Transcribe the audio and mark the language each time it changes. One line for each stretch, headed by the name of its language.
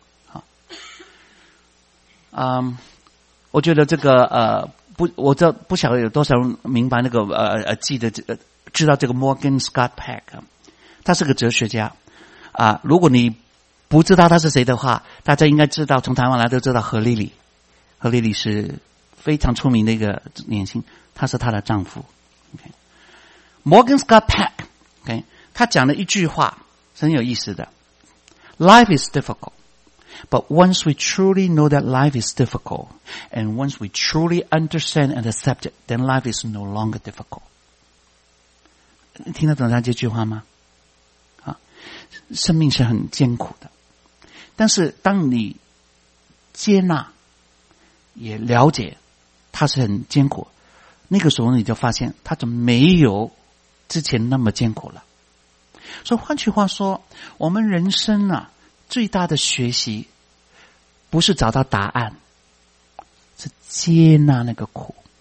Chinese: 好，我觉得这个不晓得有多少人明白那个记得知道这个 Morgan Scott Peck， 他是个哲学家啊。如果你不知道他是谁的话，大家应该知道，从台湾来都知道何丽丽，何丽丽是非常出名的一个年轻，他是他的丈夫。
English: Morgan Scott Peck， okay，
Chinese: 他讲了一句话很有意思的，
English: Life is difficult， but once we truly know that life is difficult and once we truly understand and accept it, then life is no longer difficult。
Chinese: 你听得懂他这句话吗？啊，生命是很艰苦的，但是当你接纳也了解它是很艰苦，那个时候你就发现它怎么没有之前那么艰苦了。所以换句话说，我们人生啊，最大的学习不是找到答案，是接纳那个苦。